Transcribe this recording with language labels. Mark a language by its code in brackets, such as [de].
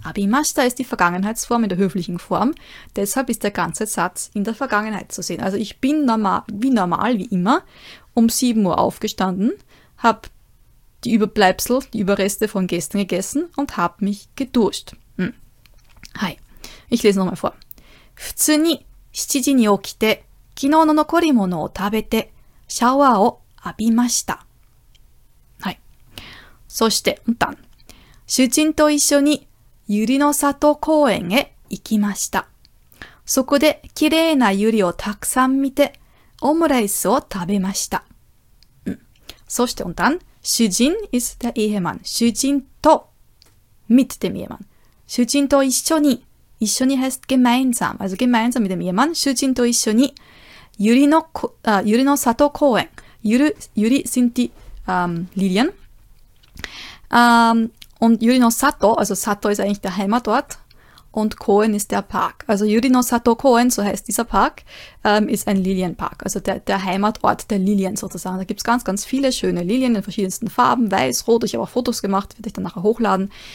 [de] Abimashita ist die Vergangenheitsform in der höflichen Form. Deshalb ist der ganze Satz in der Vergangenheit zu sehen. Also ich bin normal, wie immer, um 7 Uhr aufgestanden, habe die Überbleibsel, die Überreste von gestern gegessen und habe mich geduscht. Hi. Ich lese nochmal vor. [ja] 普通に7時に起きて昨日の残り物を食べて、シャワーを浴びました。はい。そして、主人と一緒に百合の里公園へ行きました。そこで綺麗な百合をたくさん見て、オムライスを食べました。そして、主人 [de] is the Ehemann. [ja] 主人と、 [de] mit dem Ehemann. [ja] 主人と一緒に、一緒に [de] heißt gemeinsam. Also gemeinsam mit dem Ehemann. [ja] 主人と一緒に、ゆりの里公園。 [de] ゆり sind die, Lilien. Und ゆりの里, also 里 ist eigentlich der Heimatort. und Koen ist der Park. Also Yurinosato Koen, so heißt dieser Park, ist ein Lilienpark, also der Heimatort der Lilien sozusagen. Da gibt es ganz, ganz viele schöne Lilien in verschiedensten Farben, weiß, rot. Ich habe auch Fotos gemacht, werde ich dann nachher hochladen.